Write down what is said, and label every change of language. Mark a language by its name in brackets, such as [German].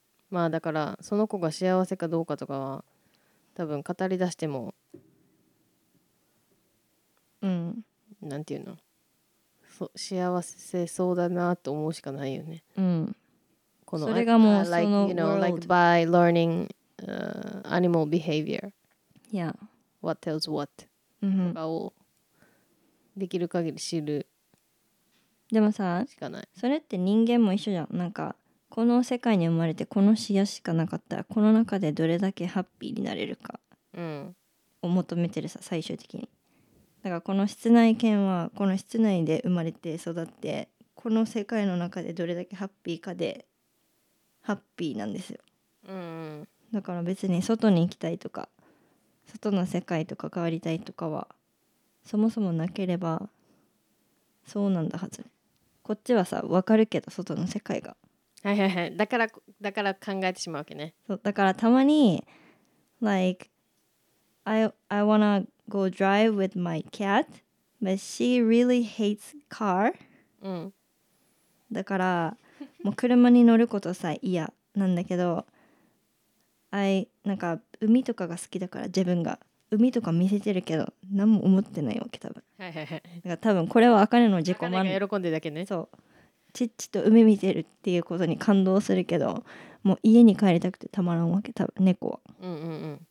[Japanese] まあだからその子が幸せかどうかとかは多分語り出してもなんていうの幸せそうだなと思うしかないよね、このそれがもうその [English] like, you know, like by learning animal behavior yeah what tells what [Japanese] とかをできる限り知るでもさしかないそれって人間も一緒じゃんなんかこの世界に生まれてこの視野しかなかったらこの中でどれだけハッピーになれるかを求めてるさ、うん、最終的にだからこの室内犬はこの室内で生まれて育ってこの世界の中でどれだけハッピーかでハッピーなんですよ、だから別に外に行きたいとか外の世界と関わりたいとかはそもそもなければそうなんだはずね。こっちはさ、わかるけど外の世界が。はいはいはい。だから考えてしまうわけね。そう、だからたまに、 [English] like, I wanna go drive with my cat, but she really hates car. [Japanese] だから、もう車に乗ることさ、嫌なんだけど、なんか海とかが好きだから自分が。海とか見せてるけど何も思ってないわけ多分、だから多分これはアカネの自己満足。アカネが喜んでるだけね。そう、チッチと海見てるっていうことに感動するけど、もう家に帰りたくてたまらんわけ多分猫は。